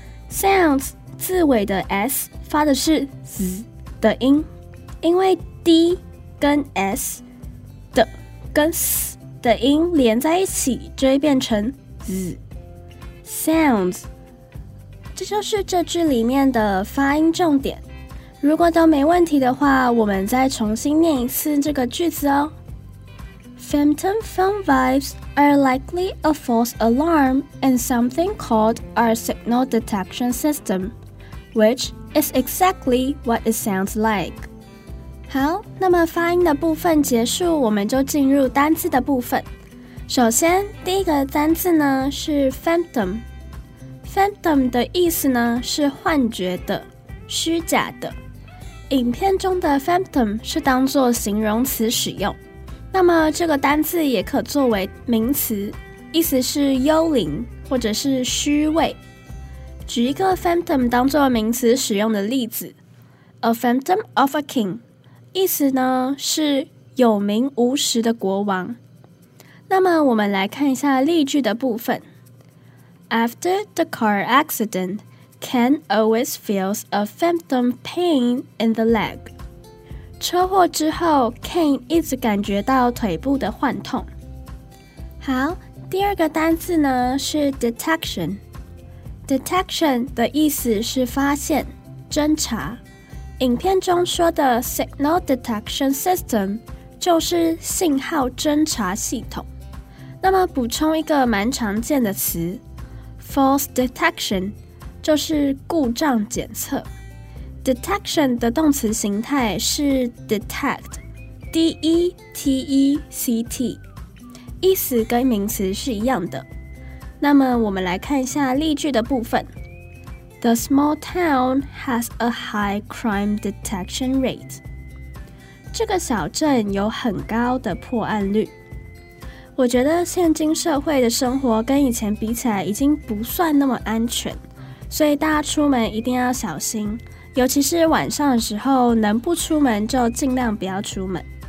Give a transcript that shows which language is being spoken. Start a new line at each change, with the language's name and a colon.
Chinese: Sounds 字尾的 s 发的是 z 的音，因为 d 跟 s 的跟 s 的音连在一起，就会变成 z。Sounds。这就是这句里面的发音重点。如果都没问题的话，我们再重新念一次这个句子哦。
English: Phantom phone vibes are likely a false alarm in something called our signal detection system, which is exactly what it sounds like.
Chinese: 好，那么发音的部分结束，我们就进入单字的部分。首先，第一个单字呢是 phantom。 Phantom 的意思呢是幻觉的、虚假的。影片中的 Phantom 是当作形容词使用，那么这个单字也可作为名词，意思是幽灵或者是虚伪。举一个 Phantom 当作名词使用的例子 ，
English: A Phantom of a King，
Chinese: 意思呢是有名无实的国王。那么我们来看一下例句的部分。
English: After the car accident, Ken always feels a phantom pain in the leg.
Chinese: 车祸之后 ,Ken 一直感觉到腿部的幻痛。好，第二个单字呢是 detection。 Detection 的意思是发现、侦查。影片中说的 signal detection system 就是信号侦查系统。那么补充一个蛮常见的词。 False detection 就是故障检测。 Detection 的动词形态是 detect， D-E-T-E-C-T， 意思跟名词是一样的。那么我们来看一下例句的部分。
English: The small town has a high crime detection rate.
Chinese: 这个小镇有很高的破案率。我觉得现今社会的生活跟以前比起来已经不算那么安全，所以大家出门一定要小心，尤其是晚上的时候，能不出门就尽量不要出门。